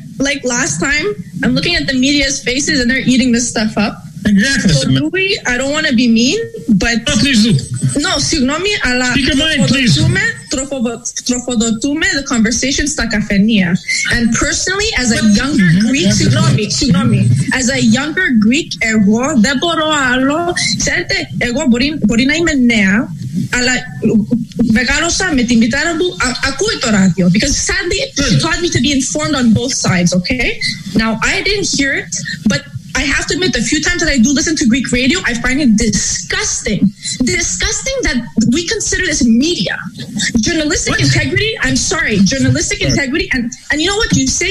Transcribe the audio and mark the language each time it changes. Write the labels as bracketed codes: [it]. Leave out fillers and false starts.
[en] Like last time, I'm looking at the media's faces and they're eating this stuff up. Exactly. So, Louis, I don't want to be mean, but... No, please do. [el] No, συγγνώμη, αλλά... [en] Speak your mind, please. [el] Τροφοδοτούμε [en] the conversation [el] στα καφενεία. [en] And personally, as a younger Greek... [el] Συγγνώμη. [en] As a younger Greek, [el] εγώ δεν μπορώ άλλο... Ξέρετε, εγώ μπορεί να είμαι νέα, αλλά... Μεγάλωσα με τη μητέρα μου, ακούει το ράδιο. [en] Because sadly, she taught me to be informed on both sides, okay? Now, I didn't hear it, but I have to admit, the few times that I do listen to Greek radio, I find it disgusting. Disgusting that we consider this media. Journalistic what? Integrity, I'm sorry, journalistic sorry. Integrity. And you know what you say?